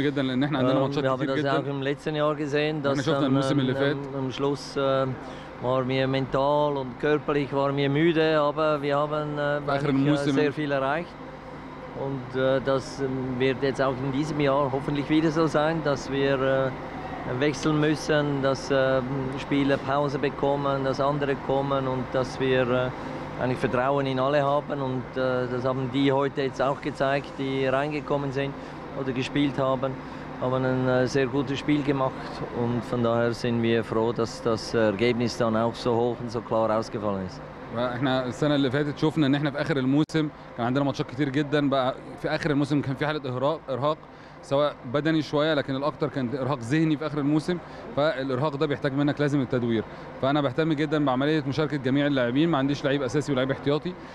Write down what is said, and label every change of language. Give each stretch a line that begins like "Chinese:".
Arabic: جدا لان احنا عندنا ماتشات كتير جدا. احنا شفنا الموسم اللي فات.
German: War mir mental und körperlich war mir müde, aber wir haben sehr viel erreicht. Und das wird jetzt auch in diesem Jahr hoffentlich wieder so sein, dass wir wechseln müssen, dass Spieler Pause bekommen, dass andere kommen und dass wir eigentlich Vertrauen in alle haben. Und das haben die heute jetzt auch gezeigt, die reingekommen sind oder gespielt haben. Haben ein sehr gutes Spiel gemacht und von daher sind wir froh, dass das Ergebnis dann auch so hoch und so klar ausgefallen ist.
Arabic: احنا السنه اللي فاتت شفنا ان احنا في اخر الموسم كان عندنا ماتشات كتير جدا، بقى في اخر الموسم كان في حاله ارهاق سواء بدني شويه لكن الاكثر كان ارهاق ذهني في اخر الموسم، فالارهاق ده بيحتاج منك لازم التدوير. فانا بهتم جدا بعمليه مشاركه جميع اللاعبين، ما عنديش لعيب اساسي ولاعيب احتياطي.